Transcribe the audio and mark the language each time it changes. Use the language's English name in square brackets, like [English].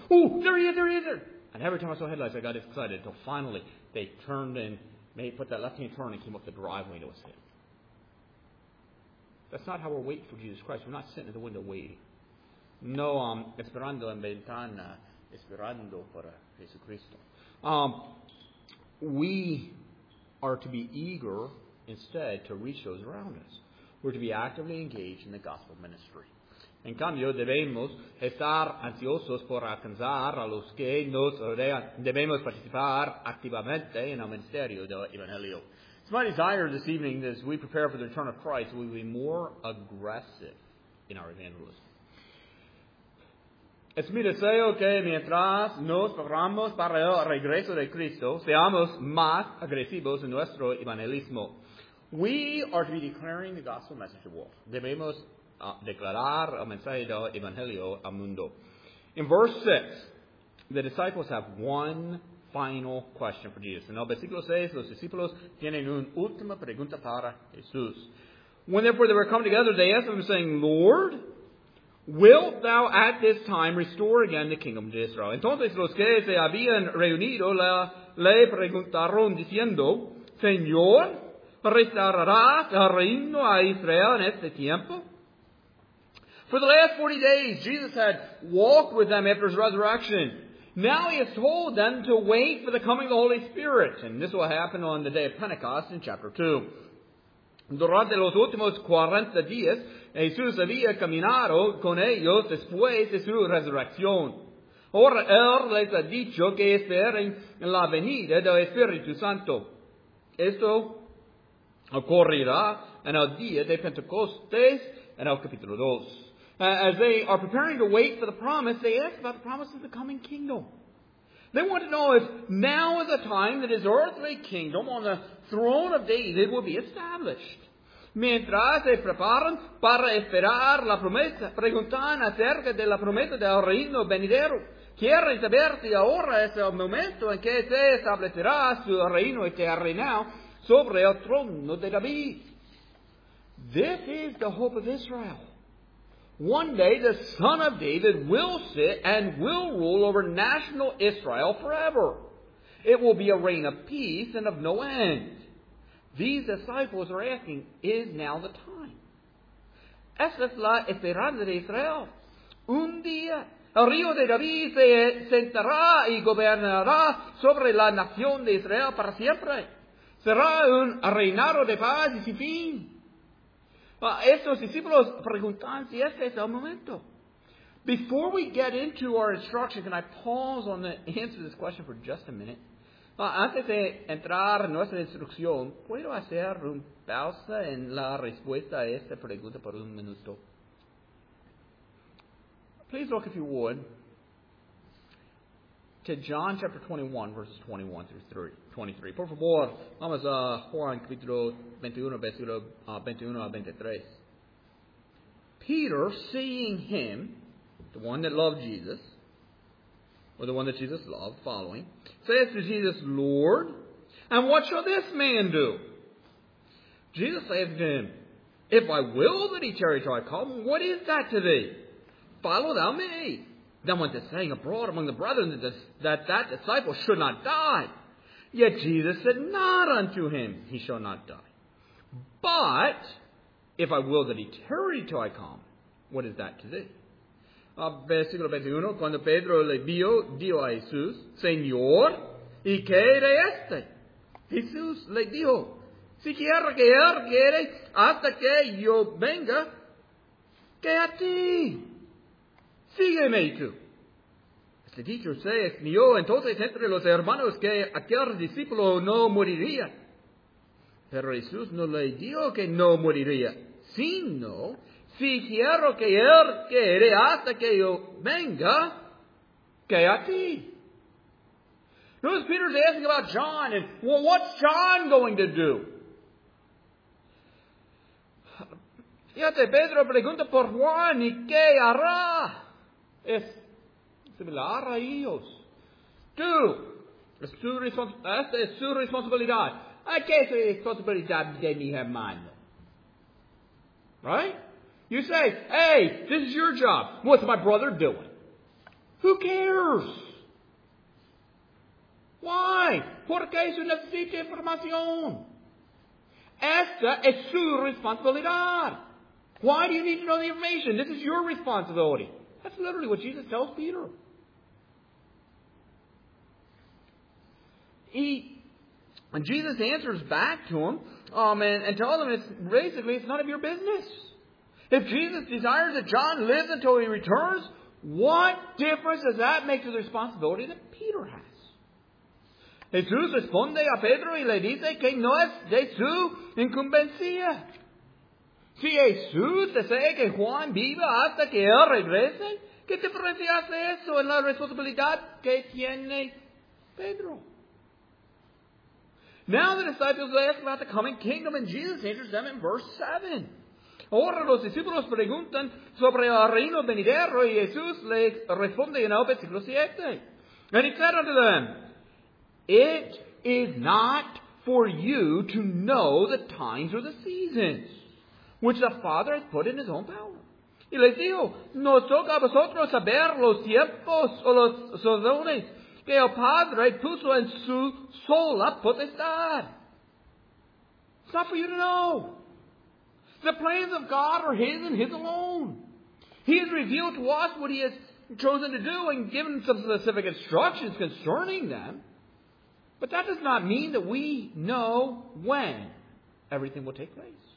[English] Oh, there he is, there he is, there. And every time I saw headlights, I got excited until finally they turned and put that left-hand turn and came up the driveway and it was him. That's not how we're waiting for Jesus Christ. We're not sitting at the window waiting. [Spanish] No, esperando en ventana, esperando para Jesucristo. [English] We are to be eager instead to reach those around us. We're to be actively engaged in the gospel ministry. [Spanish] En cambio, debemos estar ansiosos por alcanzar a los que nos rodean. Debemos participar activamente en el ministerio del Evangelio. [English] It's my desire this evening that as we prepare for the return of Christ, we will be more aggressive in our evangelism. [Spanish] Es mi deseo que mientras nos preparamos para el regreso de Cristo, seamos más agresivos en nuestro evangelismo. [English] We are to be declaring the gospel message to the world. [Spanish] Debemos declarar el mensaje del evangelio al mundo. [English] In verse 6, the disciples have one final question for Jesus. [Spanish] En el versículo 6, los discípulos tienen una última pregunta para Jesús. [English] When therefore they were come together, they asked him, saying, Lord, wilt thou at this time restore again the kingdom to Israel? [Spanish] Entonces los que se habían reunido le preguntaron diciendo, Señor, ¿restaurarás el reino a Israel en este tiempo? [English] For the last 40 days, Jesus had walked with them after his resurrection. Now he has told them to wait for the coming of the Holy Spirit. And this will happen on the day of Pentecost in chapter 2. [Spanish] Durante los últimos 40 días, Jesús había caminado con ellos después de su resurrección. Ahora él les ha dicho que esperen la venida del Espíritu Santo. Esto ocurrirá en el día de Pentecostés, en el capítulo 2. [English] As they are preparing to wait for the promise, they ask about the promise of the coming kingdom. They want to know if now is the time that his earthly kingdom on the throne of David will be established. [Spanish] Mientras se preparan para esperar la promesa, preguntan acerca de la promesa del reino venidero. Quieren saber si ahora es el momento en que se establecerá su reino eterno sobre el trono de David. [English] This is the hope of Israel. One day the son of David will sit and will rule over national Israel forever. It will be a reign of peace and of no end. These disciples are asking, is now the time? [Spanish] Esa es la esperanza de Israel. Un día, el río de David se sentará y gobernará sobre la nación de Israel para siempre. Será un reinado de paz y sin fin. Estos discípulos preguntan si este es el momento. [English] Before we get into our instruction, can I pause on the answer to this question for just a minute? [Spanish] Antes de entrar en nuestra instrucción, ¿puedo hacer una pausa en la respuesta a esta pregunta por un minuto? [English] Please look, if you would, to John chapter 21, verses 21 through 23. [Spanish] Por favor, vamos a Juan capítulo 21, versículo 21 a 23. [English] Peter, seeing him, the one that loved Jesus, or the one that Jesus loved, following, says to Jesus, Lord, and what shall this man do? Jesus says to him, if I will that he tarry till I come, what is that to thee? Follow thou me. Then went the saying abroad among the brethren that disciple should not die. Yet Jesus said not unto him, he shall not die. But if I will that he tarry till I come, what is that to thee? [Spanish] Versículo 21, cuando Pedro le vio, dijo a Jesús, Señor, ¿y qué de este? Jesús le dijo, si quiere que él quiere hasta que yo venga, que a ti. Sígueme tú. Este dicho se extendió entonces entre los hermanos que aquel discípulo no moriría. Pero Jesús no le dijo que no moriría, sino si quiero que él quede hasta que yo venga, que a ti. [English] Notice Peter's asking about John, and well, what's John going to do? [Spanish] Fíjate, Pedro pregunta por Juan, ¿y qué hará? Es similar a ellos. Tú, esta es su responsabilidad. ¿Qué es la responsabilidad de mi hermano? [English] Right? You say, hey, this is your job. What's my brother doing? Who cares? Why? [Spanish] ¿Por qué se necesita información? Esta es su responsabilidad. [English] Why do you need to know the information? This is your responsibility. That's literally what Jesus tells Peter. And Jesus answers back to him and tells him, it's none of your business. If Jesus desires that John lives until he returns, what difference does that make to the responsibility that Peter has? [Spanish] Jesús responde a Pedro y le dice que no es de su incumbencia. Si Jesús desea que Juan viva hasta que él regrese, ¿qué diferencia hace eso en la responsabilidad que tiene Pedro? [English] Now the disciples ask about the coming kingdom, and Jesus answers them in verse 7. [Spanish] Ahora los discípulos preguntan sobre el reino venidero y Jesús le responde en el versículo 7. [English] And he said unto them, it is not for you to know the times or the seasons, which the Father has put in his own power. [Spanish] Y les dijo, no toca a vosotros saber los tiempos o los sazones que el Padre puso en su sola potestad. [English] It's not for you to know. The plans of God are his and his alone. He has revealed to us what he has chosen to do and given some specific instructions concerning them. But that does not mean that we know when everything will take place.